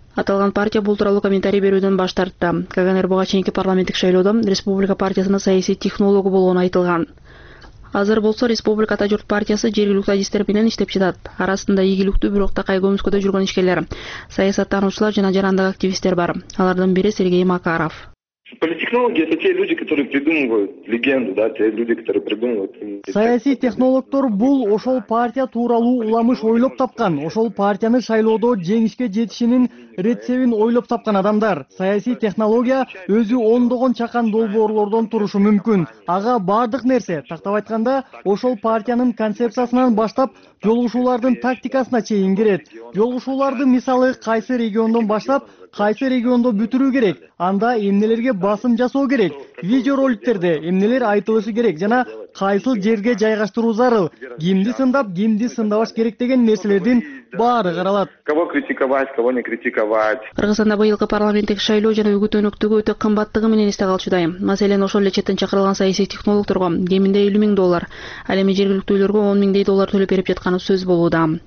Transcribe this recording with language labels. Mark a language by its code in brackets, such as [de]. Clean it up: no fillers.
[ky] Аталган партия бул тууралуу комментарий берүүдөн баш тартты. Каганер буга чейинки парламенттик шайлоодо республика партиясынын саясий технологу болгону айтылган. Азыр болсо республика тажурт партиясы жергиликтүү адистер менен иштеп жатат. Арасында ийгиликтүү бирок такай көмүскөдө жүргөн ишкерлер, саясаттануучулар жана жарандык активисттер бар. Алардын бири Сергей Макаров. [ru] Политтехнологи — это те люди, которые придумывают легенду, да, те люди, которые придумывают. [ky] Саяси технологтор бул ошол партия тууралуу уламыш ойлоп тапкан, ошол партияны шайлоодо жеңишке жетишинин рецептин ойлоп тапкан адамдар. Саяси технология өзү ондогон чакан долбоорлордон турушу мүмкүн. Ага бардык нерсе, тактап айтканда, ошол партиянын концепциясынан баштап, жолугушуулардын тактикасына чейин кирет. Жолугушууларды мисалы кайсы региондон баштап, кайсы региондо бүтүрүү керек, анда эмнелерге басым жасоо керек, видеороликтерде эмнелер айтылышы керек жана кайсыл жерге жайгаштыруу зарыл, кимди сындап, кимди сындабаш керек деген нерселердин баары каралат. [ru] Кого критиковать, кого не критиковать. [ky] Кыргызстанда быйылкы парламенттик шайлоо жана үгүт өнөктүгү өтө кымбаттыгы менен эсте калчудайм. Маселен, ошол эле четтен чакырылган саясий технологторго кеминде $50,000, ал эми жергиликтүүлөргө $10,000 төлөп берип жатканы сөз болууда.